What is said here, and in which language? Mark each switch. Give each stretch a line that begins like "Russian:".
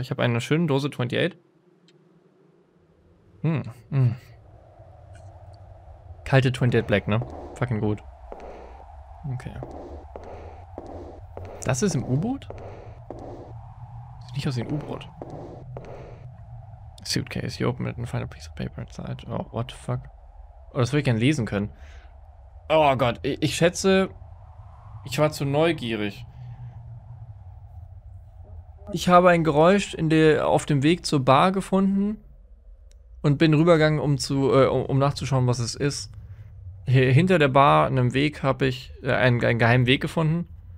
German: Ich habe eine schöne Dose 28. Kalte 28 Black, ne? Fucking gut. Okay. Das ist im U-Boot? Sieht nicht aus wie ein U-Boot.
English: Suitcase, you open it and find a piece of paper inside. Oh, what the fuck?
German: Oh, das würde ich gerne lesen können. Oh Gott, ich schätze... Ich war zu neugierig. Ich habe ein Geräusch auf dem Weg zur Bar gefunden. und bin rübergegangen, um nachzuschauen, was es ist. Hier hinter der Bar, an einem Weg, habe ich einen geheimen Weg gefunden.